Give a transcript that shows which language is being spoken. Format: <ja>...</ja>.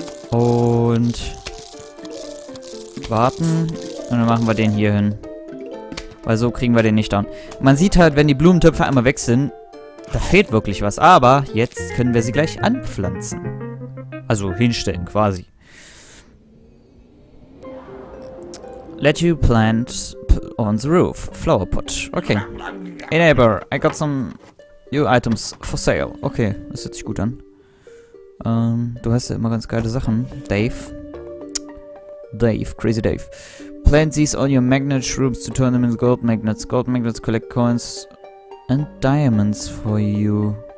<de>Und warten. Und dann machen wir den hier hin. Weil so kriegen wir den nicht down. Man sieht halt, wenn die Blumentöpfe einmal weg sind, da fehlt wirklich was. Aber jetzt können wir sie gleich anpflanzen. Also hinstellen quasi.</de> <en>Let you plant on the roof. Flower pot. Okay. Hey neighbor, I got some new items for sale.</en> <de>Okay, das hört sich gut an. Du hast ja immer ganz geile Sachen.</de> <en>Dave. Dave, crazy Dave. Plant these on your magnet shrooms to turn them into gold magnets. Gold magnets collect coins and diamonds for you.</en>